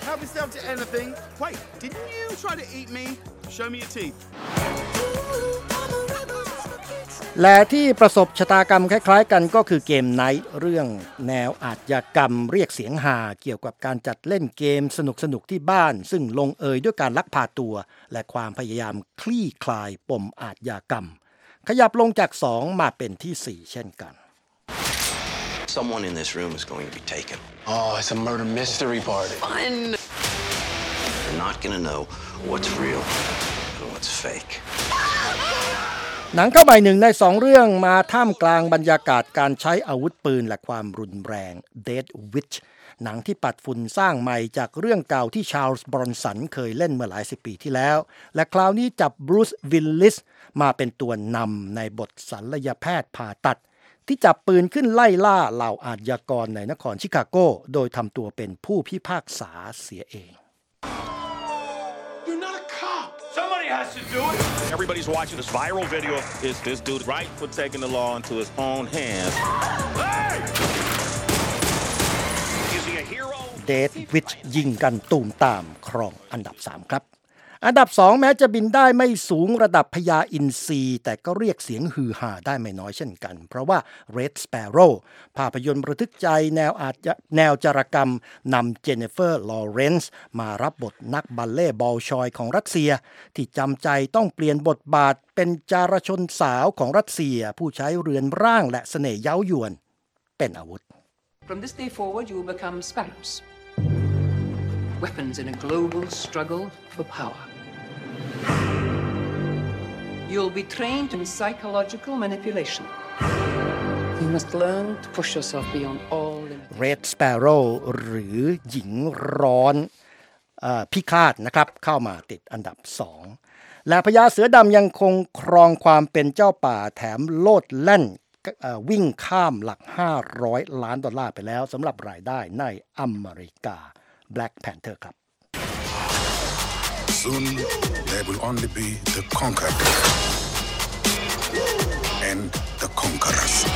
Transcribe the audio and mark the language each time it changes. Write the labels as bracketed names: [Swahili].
[English] Help yourself to anything. Wait, didn't you try to eat me? Show me your teeth. [Thai] และที่ประสบชะตากรรมคล้ายๆกันก็คือเกมไนท์เรื่องแนวอาชญากรรมเรียกเสียงฮาเกี่ยวกับการจัดเล่นเกมสนุกๆที่บ้านซึ่งลงเอยด้วยการลักพาตัวและความพยายามคลี่คลายปมอาชญากรรมขยับลงจาก2มาเป็นที่4เช่นกัน [English] Someone in this room is going to be taken. Oh, it's a murder mystery party. Fun. You're not going to know what's real and what's fake. [Thai] หนังเข้าใบหนึ่งใน2เรื่องมาท่ามกลางบรรยากาศการใช้อาวุธปืนและความรุนแรง Dead Witch หนังที่ปัดฝุ่นสร้างใหม่จากเรื่องเก่าที่ชาร์ลส์บรอนสันเคยเล่นเมื่อหลายสิบปีที่แล้วและคราวนี้จับบรูซวิลลิสมาเป็นตัวนำในบทศัลยแพทย์ผ่าตัดที่จับปืนขึ้นไล่ล่าเหล่าอาชญากรในนครชิคาโกโดยทำตัวเป็นผู้พิพากษาเสียเอง [English] You're not a cop. Somebody has to do it. Everybody's watching this viral video. Is this dude right for taking the law into his own hands? Hey! Is he a hero? [Thai] Dead Witch ยิงกันตูมตามครองอันดับ3ครับอันดับ2แม้จะบินได้ไม่สูงระดับพญาอินทรีแต่ก็เรียกเสียงฮือฮาได้ไม่น้อยเช่นกันเพราะว่า Red Sparrow ภาพยนตร์ระทึกใจ แนวจารกรรมนำเจเนฟเฟอร์ลอเรนซ์มารับบทนักบัลเล่บอลชอยของรัสเซียที่จำใจต้องเปลี่ยนบทบาทเป็นจารชนสาวของรัสเซียผู้ใช้เรือนร่างและเสน่ห์เย้าหยวนเป็นอาวุธ [English] From this day forward you become sparrows weapons in a global struggle for powerYou'll be trained in psychological manipulation. You must learn to push yourself beyond all limits. [Thai] Red Sparrow หรือหญิงร้อนพิฆาตนะครับเข้ามาติดอันดับ2และพญาเสือดำยังคงครองความเป็นเจ้าป่าแถมโลดแล่นวิ่งข้ามหลัก500ล้านดอลลาร์ไปแล้วสำหรับรายได้ในอเมริกา Black Panther ครับ [English] Soon, there will only be the conquered and the conquerors.